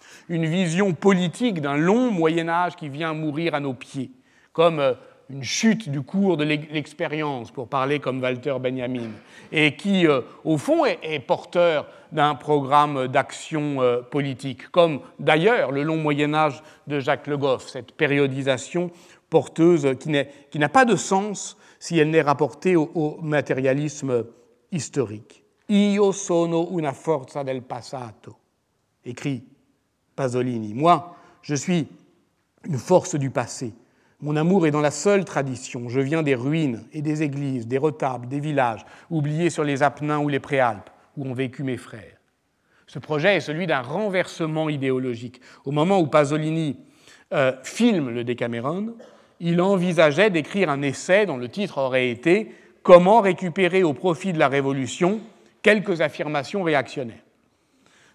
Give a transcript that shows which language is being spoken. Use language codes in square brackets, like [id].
[fr] une vision politique d'un long Moyen-Âge qui vient mourir à nos pieds, comme une chute du cours de l'expérience, pour parler comme Walter Benjamin, et qui, au fond, est porteur d'un programme d'action politique, comme d'ailleurs le long Moyen-Âge de Jacques Le Goff, cette périodisation porteuse qui n'a pas de sens si elle n'est rapportée au matérialisme historique. [it] « Io sono una forza del passato », [fr] écrit [it] Pasolini. [fr] « Moi, je suis une force du passé. Mon amour est dans la seule tradition. Je viens des ruines et des églises, des retables, des villages, oubliés sur les Apennins ou les Préalpes, où ont vécu mes frères. » Ce projet est celui d'un renversement idéologique. Au moment où Pasolini filme le Décameron, il envisageait d'écrire un essai dont le titre aurait été « Comment récupérer au profit de la Révolution quelques affirmations réactionnaires ».